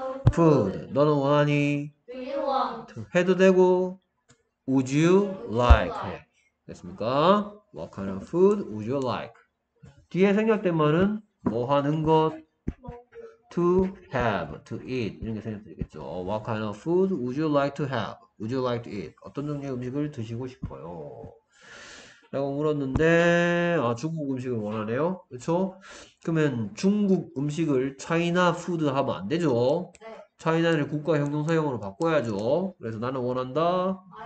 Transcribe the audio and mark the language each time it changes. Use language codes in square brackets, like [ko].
[en] Food. [ko] 너는 원하니? [en] Do you want? [ko] 해도 되고 [en] would you like? [ko] 됐습니까? [en] What kind of food would you like? [ko] 뒤에 생략된 말은 뭐 하는 것? [en] To have, to eat [ko] 이런 게 생략되겠죠. [en] What kind of food would you like to have? Would you like to eat? [ko] 어떤 종류의 음식을 드시고 싶어요? 라고 물었는데 아 중국 음식을 원하네요. 그렇죠? 그러면 중국 음식을 China food 하면 안 되죠? 네. 차이나를 국가 형용사형으로 바꿔야죠. 그래서 나는 원한다.